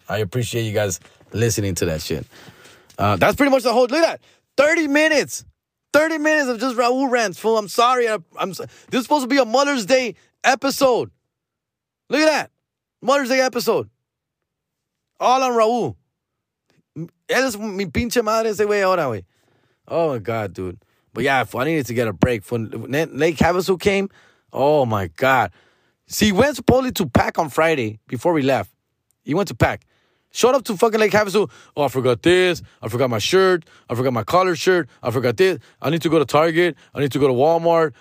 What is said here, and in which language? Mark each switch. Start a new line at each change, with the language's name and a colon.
English: I appreciate you guys listening to that shit. That's pretty much the whole... Look at that. 30 minutes. 30 minutes of just Raul rants, fool. I'm sorry. This is supposed to be a Mother's Day episode. Look at that. Mother's Day episode. all on Raul.
Spanish: Él es mi pinche madre ese güey ahora, güey.
English: Oh, my God, dude. But, yeah, I needed to get a break. When Lake Havasu came, oh, my God. See, he went supposedly to pack on Friday before we left. He went to pack. Showed up to fucking Lake Havasu. Oh, I forgot this. I forgot my shirt. I forgot my collar shirt. I forgot this. I need to go to Target. I need to go to Walmart.